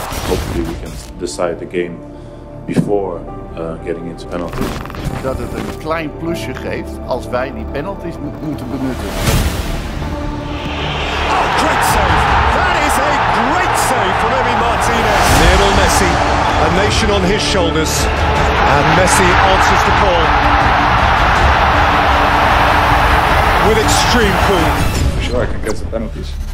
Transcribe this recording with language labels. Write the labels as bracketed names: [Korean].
[English] Hopefully we can decide the game before getting into penalties. [Dutch] Dat het een klein plusje geeft als wij die penalties moeten benutten. [English] Oh, great save! That is a great save from Emi Martinez. Lionel Messi, a nation on his shoulders, and Messi answers the call with extreme cool. Sure, I can get the penalties.